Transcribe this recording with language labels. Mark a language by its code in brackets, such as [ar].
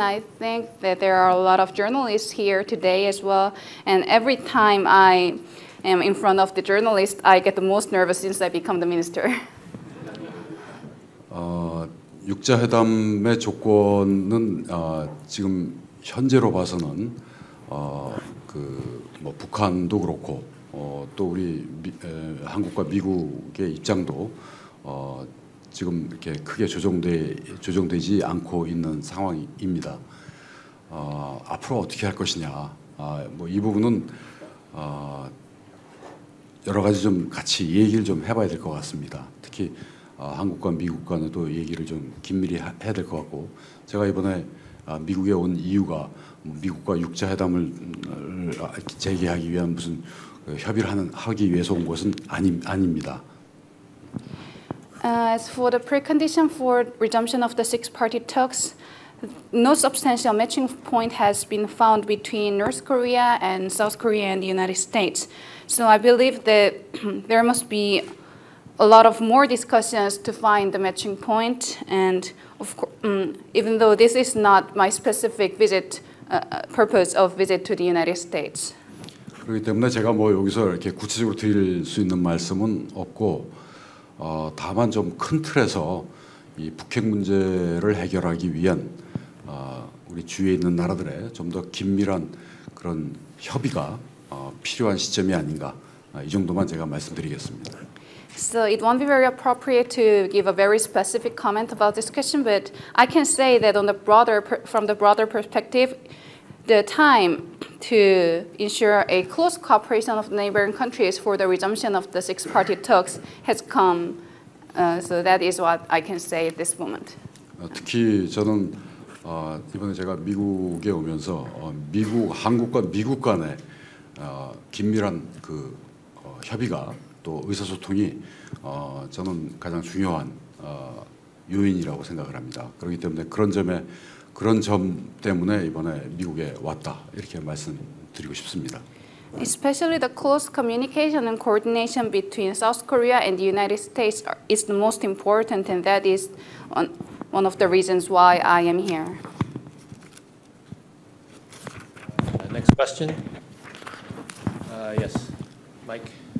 [en] I think that there are a lot of journalists here today as well, and every time I am in front of the journalist, I get the most nervous since I become the minister. [ko] 6자 회담의 조건은 지금 현재로 봐서는 그 뭐 북한도 그렇고 또 우리 한국과 미국의 입장도 지금 이렇게 크게 조정되지 않고 있는 상황입니다. 앞으로 어떻게 할 것이냐? 뭐 이 부분은 여러 가지 좀 같이 얘기를 좀 해봐야 될 것 같습니다. 특히 한국과 미국 간에도 얘기를 좀 긴밀히 해야 될 것 같고 제가 이번에 미국에 온 이유가 미국과 6자 회담을 재개하기 위한 무슨 협의를 하기 위해서 온 것은 아닙니다. [en] As for the precondition for resumption of the six-party talks, no substantial matching point has been found between North Korea and South Korea and the United States. So I believe that there must be a lot of more discussions to find the matching point. And of course, even though this is not my specific visit purpose of visit to the United States. [ko] 그렇기 때문에 제가 뭐 여기서 이렇게 구체적으로 드릴 수 있는 말씀은 없고 다만 좀 큰 틀에서 이 북핵 문제를 해결하기 위한 우리 주위에 있는 나라들의 좀 더 긴밀한 그런 협의가 필요한 시점이 아닌가 이 정도만 제가 말씀드리겠습니다. [en] So it won't be very appropriate to give a very specific comment about this question, but I can say that on the broader, from the broader perspective, the time to ensure a close cooperation of neighboring countries for the resumption of the six-party talks has come. So that is what I can say at this moment. [ko] 특히 저는 이번에 제가 미국에 오면서 미국 한국과 미국 간에 긴밀한 그 협의가 또 의사소통이 저는 가장 중요한 요인이라고 생각을 합니다. 그렇기 때문에 그런 점 때문에 이번에 미국에 왔다 이렇게 말씀드리고 싶습니다. [en] Especially the close communication and coordination between South Korea and the United States is the most important, and that is one of the reasons why I am here. Next question. Yes, Mike.